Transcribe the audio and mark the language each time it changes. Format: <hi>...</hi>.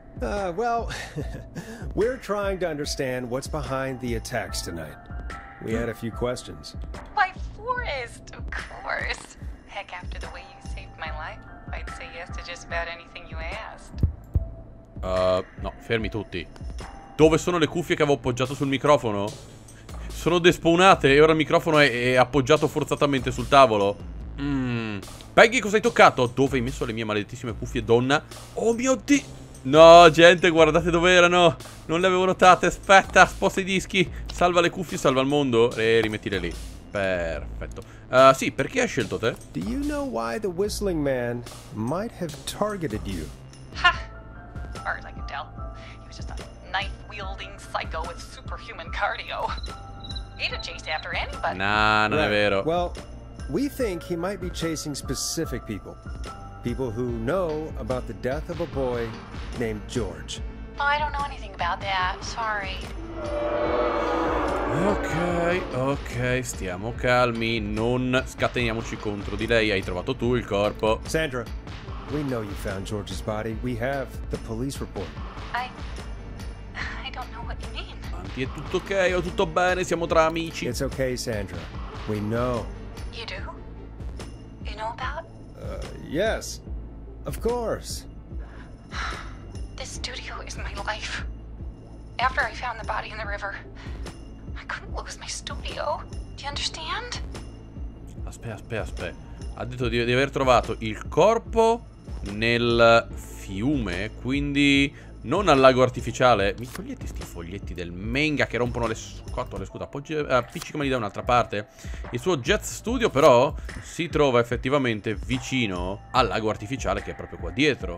<en>Well, we're trying to understand what's behind the attacks tonight. We had a few questions. Why, Forrest, of course. Heck, after the way you saved my life, I'd say yes to just about anything you asked.</en> <it>No, fermi tutti. Dove sono le cuffie che avevo appoggiato sul microfono? Sono despawnate e ora il microfono è appoggiato forzatamente sul tavolo. Peggy, cosa hai toccato? Dove hai messo le mie maledettissime cuffie, donna? Oh mio Dio! No, gente, guardate dove erano! Non le avevo notate, aspetta, sposta i dischi! Salva le cuffie, salva il mondo e rimettile lì. Perfetto. Sì, perché hai scelto te?</it> <en>Do you know why the whistling man might have targeted you? Ha! As far as I can tell, he was just a knife-wielding psycho with superhuman cardio. He'd have chased after anybody.</en> <it>Nah, non</it> <en>right.</en> <it>È vero.</it> <en>Well, we think he might be chasing specific people. People who know about the death of a boy named George. Oh, I don't know anything about that. Sorry.</en> <it>Ok, ok, stiamo calmi, non scateniamoci contro di lei. Hai trovato tu il corpo?</it> <en>Sandra, we know you found George's body. We have the police report. I don't know what you mean.</en> <it>Anti, è tutto ok, ho tutto bene, siamo tra amici.</it> <en>It's ok, Sandra. We know. You do? You know about? Yes. Of course. This studio is my life. After I found the body in the river, I couldn't lose my studio. Do you understand?</en> <it>Aspetta. Ha detto di aver trovato il corpo nel fiume, quindi non al lago artificiale. Mi togliete sti foglietti del manga che rompono le scatole, scusa, appiccicameli da un'altra parte. Il suo jazz studio però si trova effettivamente vicino al lago artificiale, che è proprio qua dietro.</it>